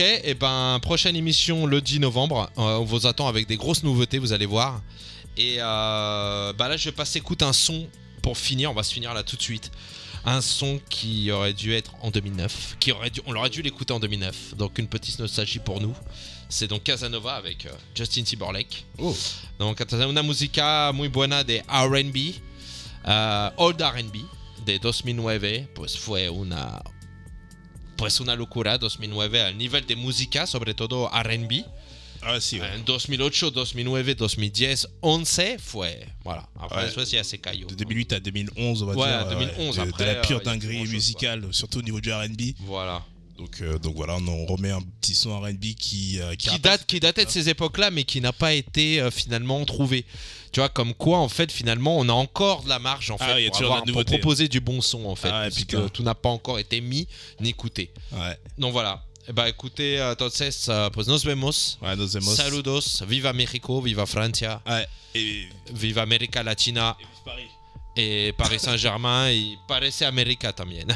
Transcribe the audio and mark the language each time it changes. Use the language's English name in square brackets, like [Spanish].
[French] Et ben, prochaine émission le 10 novembre. On vous attend avec des grosses nouveautés, vous allez voir. Et là, je vais passer écouter un son pour finir. On va se finir là tout de suite. Un son qui aurait dû être en 2009. On aurait dû l'écouter en 2009. Donc, une petite nostalgie pour nous. C'est donc Casanova avec Justin Timberlake. Oh. [Spanish] Donc, una música muy buena de R&B, old R&B de 2009. Pues fue una locura 2009 al nivel de música, sobre todo R&B. Ah, sí, bueno. En 2008, 2009, 2010, 11 fue. Voilà. [French] Après, ouais, ça, ça s'est cassé. De 2008 à 2011, on va dire. 2011, après, de la pure dinguerie musicale, chose, surtout au niveau du R&B. Voilà. Donc voilà, on remet un petit son R&B qui datait de ces époques-là, mais qui n'a pas été finalement trouvé. Tu vois, comme quoi, en fait, finalement, on a encore de la marge en fait, pour proposer du bon son, en fait. Parce que tout n'a pas encore été mis ni écouté. Ouais. Donc voilà. Eh ben, écoutez, [Spanish] entonces, pues nos vemos. Ouais, nos vemos. Saludos. Viva México, viva Francia. [French] Ouais. Et [Spanish] viva América Latina. [French] Et vive Paris. Et Paris Saint-Germain, et Paris América también.